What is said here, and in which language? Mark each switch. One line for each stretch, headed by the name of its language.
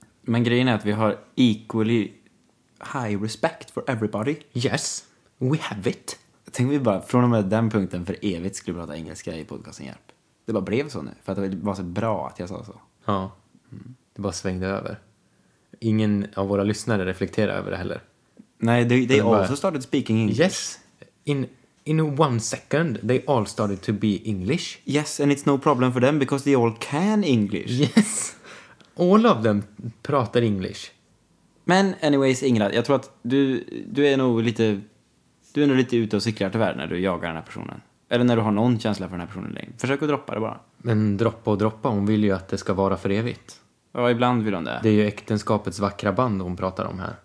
Swedish: Men grejen är att vi har
English: equally high respect for everybody. Yes, we have it.
Swedish: Tänk vi bara, från och med den punkten för evigt skulle prata engelska i podcasten Hjälp. Det bara blev så nu, för att det var så bra att jag sa så. Ja, det bara svängde över. Ingen av våra lyssnare reflekterar över det heller. Nej,
English: they also started speaking English. Yes, in one second they all started to be English. Yes, and it's no problem for them because they all can English. Yes. All of them
Swedish: pratar
English: English.
Swedish: Men anyways, Ingela, jag tror att du är nog lite... Du är nog lite ute och cyklar tyvärr när du jagar den här personen. Eller när du har någon känsla för den här personen längre. Försök att droppa det bara. Men droppa och droppa, hon vill ju att det ska vara för evigt. Ja, ibland vill hon det. Det är ju äktenskapets vackra band hon pratar om här.